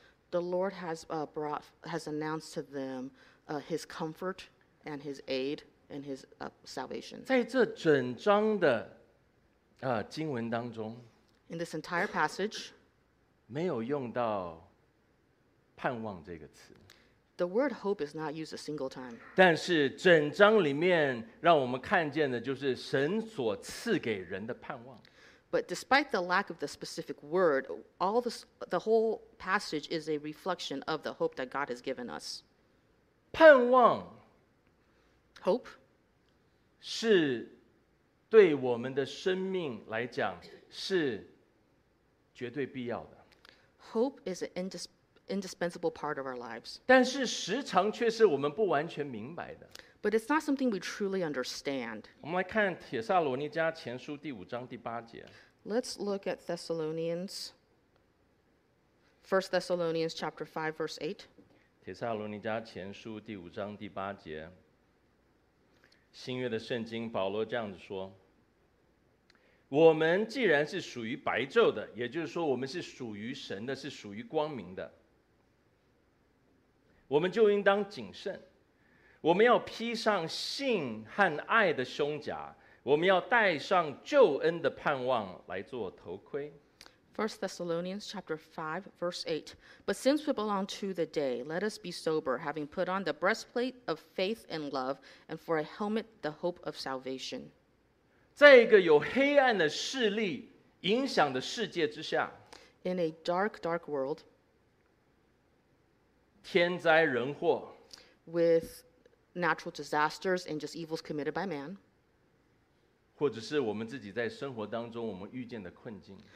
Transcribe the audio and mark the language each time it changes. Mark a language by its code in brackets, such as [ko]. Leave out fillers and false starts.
[en] The Lord has announced to them his comfort and his aid and his salvation. [zh] 在这整章的经文当中， [en] in this entire passage, [zh] 没有用到盼望这个词。 [en] The word hope is not used a single time. [zh] 但是整章里面让我们看见的就是神所赐给人的盼望。 [en] But despite the lack of the specific word, all the whole passage is a reflection of the hope that God has given us. [zh] 盼望 [en] hope [zh] 是对我们的生命来讲是绝对必要的。 [en] Hope is an indispensable part of our lives. [zh] 但是时常却是我们不完全明白的。 [en] But it's not something we truly understand. [zh] 我们来看帖撒罗尼迦前书第五章第八节。 [en] Let's look at Thessalonians. First Thessalonians chapter 5 verse 8. [zh] 帖撒罗尼迦前书第五章第八节。新约的圣经保罗这样子说。我们既然是属于白昼的，也就是说我们是属于神的，是属于光明的。我们就应当谨慎，我们要披上信和爱的胸甲，我们要戴上救恩的盼望来做头盔。 [en] 1 Thessalonians chapter 5, verse 8. But since we belong to the day, let us be sober, having put on the breastplate of faith and love, and for a helmet, the hope of salvation. [zh] 在一个有黑暗的势力影响的世界之下， [en] in a dark, dark world, [zh] 天灾人祸， [en] with natural disasters and just evils committed by man, [zh] 或者是我们自己在生活当中我们遇见的困境，